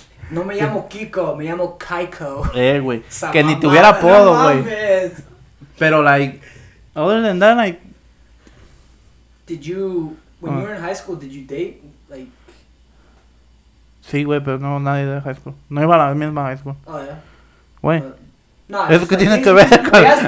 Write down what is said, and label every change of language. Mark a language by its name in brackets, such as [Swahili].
[Spanish] No me llamo Kiko, me llamo Kaiko. Güey. Que ni tuviera apodo, güey. [English] Pero, like, other than that, like... When you were in high school, did you date, like... [Spanish] Sí, güey, pero no, nadie de high school. No iba a la misma high school. [English] Oh, yeah. [Spanish] Güey. No, eso que tiene que ver con...